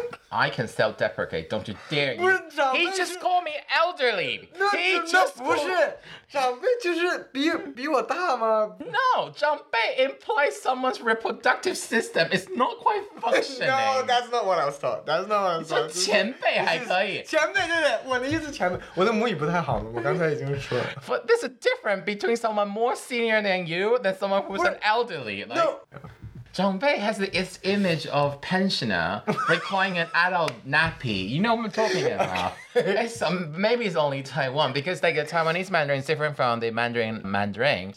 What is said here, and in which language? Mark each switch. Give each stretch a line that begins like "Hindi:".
English: I can self-deprecate, don't you dare. He just called me elderly. No, 长辈 implies someone's reproductive system is not quite functioning. No, that's not what I was taught. That's not what I was taught.
Chinese: 前辈还可以. 前辈对对，我的意思前辈，我的母语不太好，我刚才已经说了.
English: But there's a difference between someone more senior than you than someone who's an elderly. Like, no. 长辈 has its image of pensioner requiring an adult nappy. You know what I'm talking about. Okay. It's, maybe it's only Taiwan because like a Taiwanese Mandarin is different from the Mandarin.